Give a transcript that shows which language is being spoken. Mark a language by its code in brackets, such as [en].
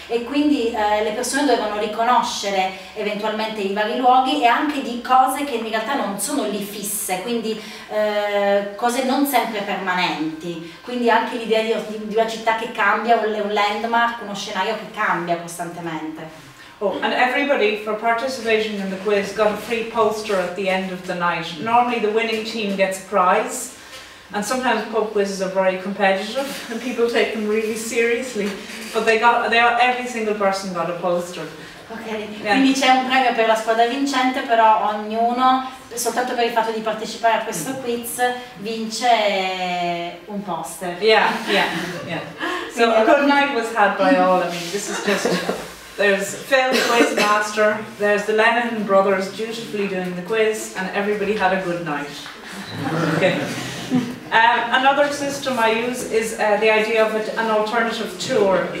[it] E quindi le persone dovevano riconoscere eventualmente i vari luoghi e anche di cose che in realtà non sono lì fisse, quindi cose non sempre permanenti. Quindi anche l'idea di una città che cambia, un landmark, uno scenario che cambia costantemente. [en] Oh, and everybody for participating in the quiz got a free poster at the end of the night. Normally the winning team gets a prize, and sometimes pub quizzes are very competitive and people take them really seriously, but every single person got a poster. Okay. [it] Yeah. Quindi c'è un premio per la squadra vincente, però ognuno, soltanto per il fatto di partecipare a questo quiz, vince un poster. [en] Yeah. So a good night was had by all. I mean, this is just, there's Phil, the quiz master, there's the Lennon brothers dutifully doing the quiz, and everybody had a good night. Okay. Another system I use is the idea of an alternative tour.